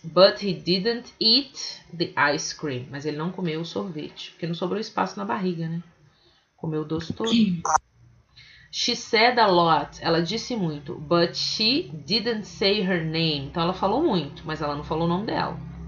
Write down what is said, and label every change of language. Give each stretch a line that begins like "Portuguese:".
English: But he didn't eat the ice cream.
Portuguese: Mas ele não comeu o sorvete, porque não sobrou espaço na barriga, né? Comeu o doce todo.
English: She said a lot.
Portuguese: Ela disse muito.
English: But she didn't say her name.
Portuguese: Então ela falou muito, mas ela não falou o nome dela.